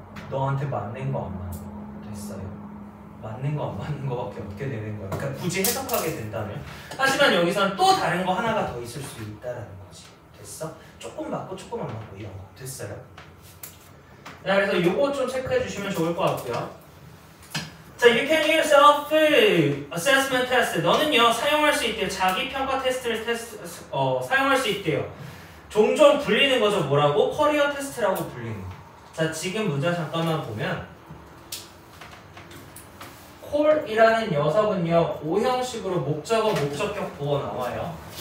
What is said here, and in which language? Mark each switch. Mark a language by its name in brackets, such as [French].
[Korean] 너한테 맞는 거 안 맞는 거 됐어요? 맞는 거 안 맞는 거 밖에 없게 되는 거야. 그러니까 굳이 해석하게 된다면. 하지만 여기서는 또 다른 거 하나가 더 있을 수 있다라는 거지. 됐어? 조금 맞고 조금 안 맞고 이런 거 됐어요? 자, 그래서 요거 좀 체크해 주시면 좋을 것 같고요. 자, [English] you can use self assessment test. [Korean] 너는요, 사용할 수 있대요. 자기 평가 테스트를 사용할 수 있대요. 종종 불리는 거죠. 뭐라고? 커리어 테스트라고 불리는 거. 자, 지금 문장 잠깐만 보면 콜이라는 녀석은요, 5형식으로 목적어, 목적격, 보어 나와요.